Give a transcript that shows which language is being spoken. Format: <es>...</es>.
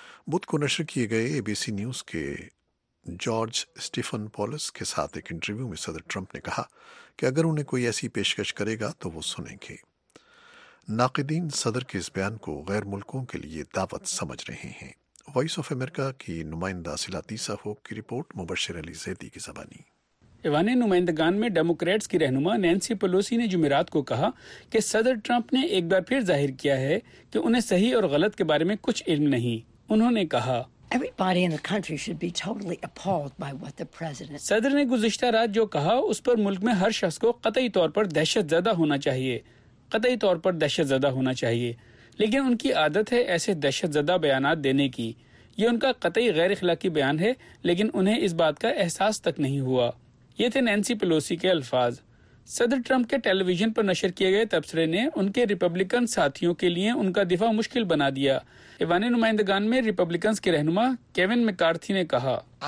<ur>بدھ کو نشر کیے گئے اے بی سی نیوز کے جارج اسٹیفن پولس کے ساتھ ایک انٹرویو میں صدر ٹرمپ نے کہا کہ اگر انہیں کوئی ایسی پیشکش کرے گا تو وہ سنیں گے۔ ناقدین صدر کے اس بیان کو غیر ملکوں کے لیے دعوت سمجھ رہے ہیں۔ وائس آف امریکہ کی نمائندہ سلاتی صاحب کی رپورٹ، مبشر علی زیدی کی زبانی۔ ایوانِ نمائندگان میں ڈیموکریٹس کی رہنما نینسی پلوسی نے جمعرات کو کہا کہ صدر ٹرمپ نے ایک بار پھر ظاہر کیا ہے کہ انہیں صحیح اور غلط کے بارے میں کچھ علم نہیں۔ انہوں نے کہا،</ur> <en>Everybody in the country should be totally appalled by what the president</en> <ur>صدر نے گزشتہ رات جو کہا اس پر ملک میں ہر شخص کو قطعی طور پر دہشت زدہ ہونا چاہیے، قطعی طور پر دہشت زدہ ہونا چاہیے، لیکن ان کی عادت ہے ایسے دہشت زدہ بیانات دینے کی۔ یہ ان کا قطعی غیر اخلاقی بیان ہے، لیکن انہیں اس بات کا احساس تک نہیں ہوا۔ یہ تھے نینسی پلوسی کے الفاظ۔ صدر ٹرمپ کے ٹیلی ویژن پر نشر کیے گئے تبصرے نے ان کے ریپبلکن ساتھیوں کے لیے ان کا دفاع مشکل بنا دیا۔ ایوانِ نمائندگان میں ریپبلکنز کے رہنما کیون مکارتھی نے کہا،</ur>